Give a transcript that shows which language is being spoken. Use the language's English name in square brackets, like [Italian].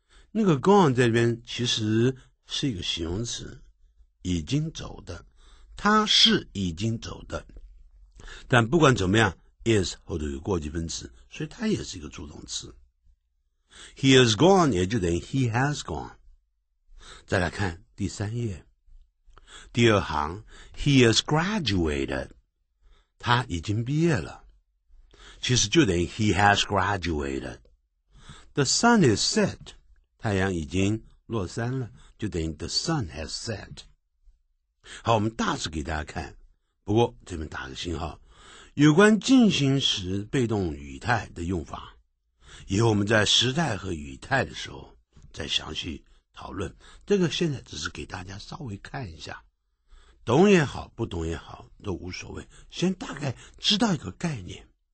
[Chinese] 那个 gone 在这边其实是一个形容词，已经走的，他是已经走的，但不管怎么样 is 后头有过去分词，所以他也是一个助动词， [English] he is gone [Chinese] 也就等于 [English] he has gone。 [Chinese] 再来看第三页第二行， [English] he is graduated， [Chinese] 他已经毕业了，其实就等于 [English] he has graduated。 The sun is set， [Chinese] 太阳已经落山了，就等于 [English] the sun has set。 [Chinese] 好，我们大致给大家看，不过这边打个星号，有关进行时被动语态的用法以后我们在时态和语态的时候再详细讨论，这个现在只是给大家稍微看一下，懂也好不懂也好都无所谓，先大概知道一个概念。